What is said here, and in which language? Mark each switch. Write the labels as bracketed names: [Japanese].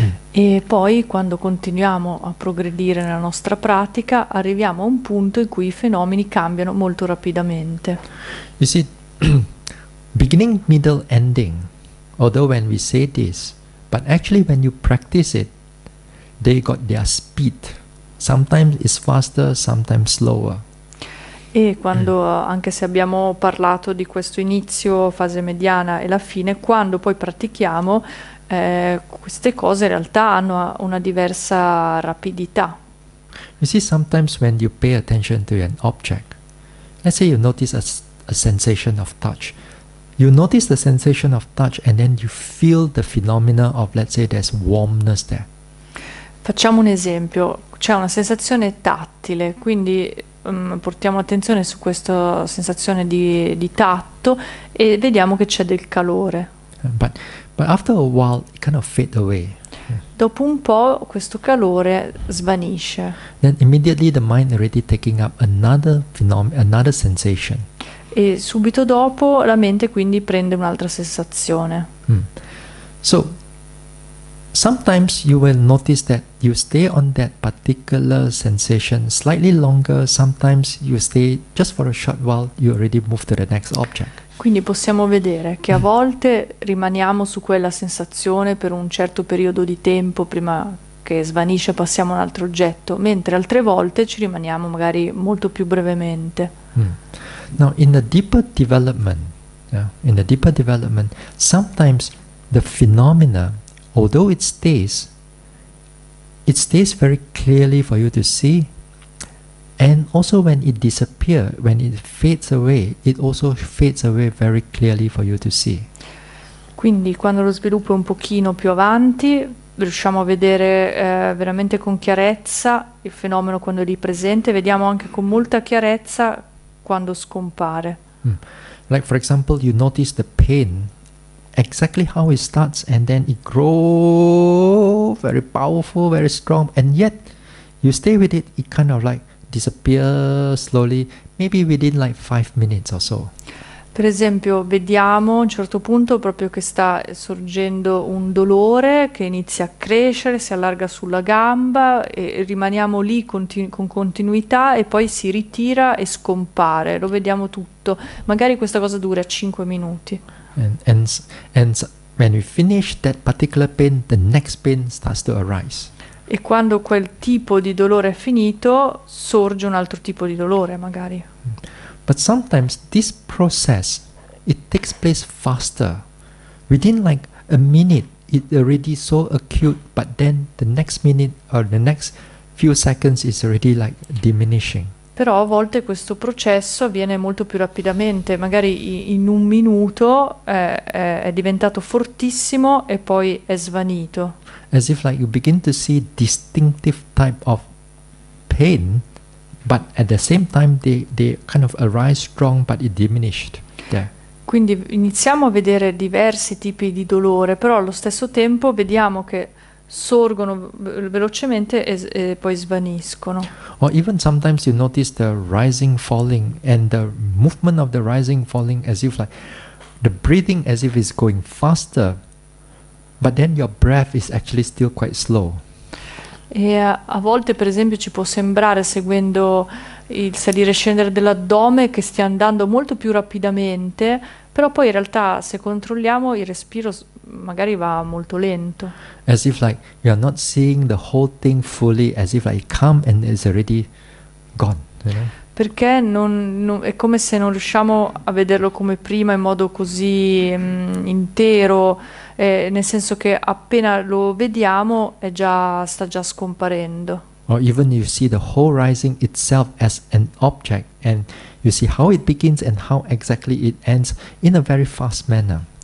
[Italian] E poi, quando continuiamo a progredire nella nostra pratica, arriviamo a un punto in cui i fenomeni cambiano molto rapidamente. [English] You see, beginning, middle, ending, although when we say this, but actually when you practice it, they got their speed. Sometimes it's faster, sometimes slower. [Italian] E quando, anche se abbiamo parlato di questo inizio, fase mediana e la fine, quando poi pratichiamo, queste cose in realtà hanno una diversa rapidità. [English] You see, sometimes when you pay attention to an object, let's say you notice a sensation of touch, you notice the sensation of touch and then you feel the phenomena of, let's say, there's warmness there. [Italian] Facciamo un esempio, c'è una sensazione tattile, quindi portiamo attenzione su questa sensazione di tatto e vediamo che c'è del calore. [English] But after a while, it kind of fades away. [Italian] Dopo un po', questo calore svanisce. [English] Then immediately the mind already taking up another phenomenon, another sensation. [Italian] E subito dopo la mente quindi prende un'altra sensazione. [English] So sometimes you will notice that you stay on that particular sensation slightly longer. Sometimes you stay just for a short while. You already move to the next object. [Italian] Quindi possiamo vedere che a volte rimaniamo su quella sensazione per un certo periodo di tempo prima che svanisce, passiamo a un altro oggetto, mentre altre volte ci rimaniamo magari molto più brevemente. [English] Now, in the deeper development, yeah, in the deeper development, sometimes the phenomena, although it stays very clearly for you to see, and also when it disappears, when it also fades away very clearly for you to see. [Italian] Quindi quando lo sviluppo è un pochino più avanti, riusciamo a vedere veramente con chiarezza il fenomeno quando è lì presente, vediamo anche con molta chiarezza quando scompare. [English] Like for example, you notice the pain, exactly how it starts and then it grows very powerful, very strong, and yet you stay with it, it kind of like disappears slowly, maybe within like 5 minutes or so. [Italian] Per esempio, vediamo a un certo punto proprio che sta sorgendo un dolore che inizia a crescere, si allarga sulla gamba e rimaniamo lì con continuità e poi si ritira e scompare. Lo vediamo tutto. Magari questa cosa dura 5 minuti. [English] And when we finish that particular pain, the next pain starts to arise. [Italian] E quando quel tipo di dolore è finito, sorge un altro tipo di dolore, magari. [English] But sometimes this process, it takes place faster. Within like a minute, it already so acute, but then the next minute or the next few seconds is already like diminishing. [Italian] Però a volte questo processo avviene molto più rapidamente, magari in un minuto è diventato fortissimo e poi è svanito. [English] As if like you begin to see distinctive type of pain, but at the same time they kind of arise strong, but it diminished. Yeah. [Italian] Quindi iniziamo a vedere diversi tipi di dolore, però allo stesso tempo vediamo che sorgono velocemente e poi svaniscono. [English] Or even sometimes you notice the rising falling and the movement of the rising falling as if like the breathing as if it's going faster, but then your breath is actually still quite slow. [Italian] E a volte, per esempio, ci può sembrare, seguendo il salire e scendere dell'addome, che stia andando molto più rapidamente, però poi in realtà, se controlliamo, il respiro magari va molto lento. [English] As if like you are not seeing the whole thing fully, as if like it come and it's already gone, you know? [Italian] Perché non è come se non riusciamo a vederlo come prima in modo così intero, nel senso che appena lo vediamo sta già scomparendo. [English] Or even you see the whole rising itself as an object and you see how it begins and how exactly it ends in a very fast manner.